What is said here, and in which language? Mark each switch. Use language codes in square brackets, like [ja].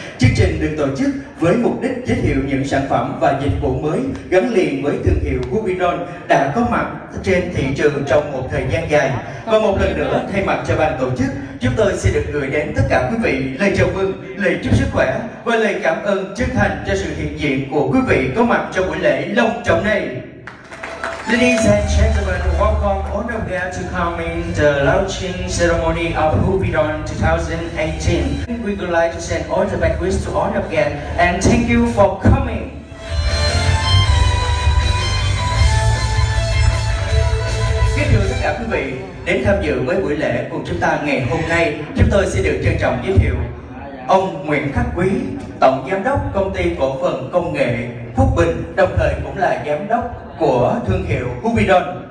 [vi] Chương trình được tổ chức với mục đích giới thiệu những sản phẩm và dịch vụ mới gắn liền với thương hiệu Rubidon đã có mặt trên thị trường trong một thời gian dài. Và một lần nữa, thay mặt cho ban tổ chức, chúng tôi xin được gửi đến tất cả quý vị lời chào mừng, lời chúc sức khỏe và lời cảm ơn chân thành cho sự hiện diện của quý vị có mặt trong buổi lễ long trọng này. [en] Ladies and gentlemen, welcome all of you to come in the launching ceremony of Rubidon 2018. We would like to send all the best wishes to all of you and thank you for coming. [vi] Kính thưa tất cả quý vị, đến tham dự với buổi lễ của chúng ta ngày hôm nay, chúng tôi sẽ được trân trọng giới thiệu ông Nguyễn Khắc Quý, Tổng Giám đốc Công ty Cổ phần Công nghệ Phúc Bình, đồng thời cũng là Giám đốc của thương hiệu Rubidon.